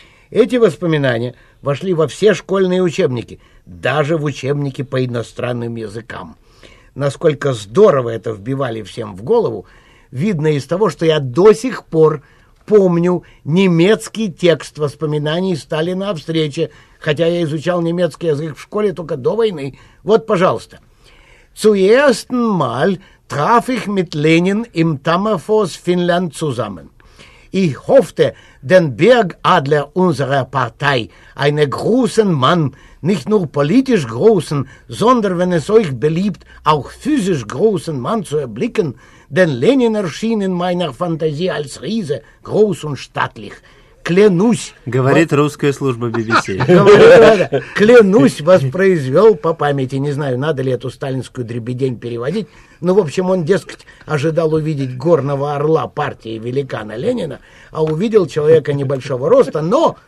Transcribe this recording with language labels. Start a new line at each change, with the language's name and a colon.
Russian: Эти воспоминания вошли во все школьные учебники, даже в учебники по иностранным языкам. Насколько здорово это вбивали всем в голову, видно из того, что я до сих пор помню немецкий текст воспоминаний Сталина о встрече, хотя я изучал немецкий язык в школе только до войны. Вот, пожалуйста.
German: Zuerst mal traf ich mit Lenin im Tammerfoss Finnland zusammen. Ich hoffte, den Bergadler unserer Partei, einen großen Mann, nicht nur politisch großen, sondern, wenn es euch beliebt, auch physisch großen Mann zu erblicken, denn Lenin erschien in meiner Fantasie als Riese, groß und stattlich.
Russian: Клянусь... Говорит русская служба BBC. Клянусь, воспроизвел по памяти. Не знаю, надо ли эту сталинскую дребедень переводить. Ну, в общем, он, дескать, ожидал увидеть горного орла партии великана Ленина, а увидел человека небольшого роста, но...